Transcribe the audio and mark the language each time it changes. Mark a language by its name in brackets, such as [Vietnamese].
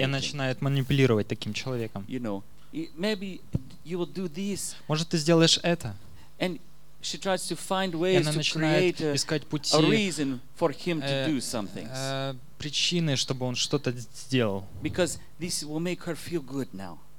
[Russian] И она начинает манипулировать таким человеком. [English] You know, maybe you will do this. [Russian] Может, ты сделаешь это? [English] And she tries to find ways to create a reason for him to do some things. [Russian] Причины, чтобы он что-то сделал. [English] Because this will make her feel good now.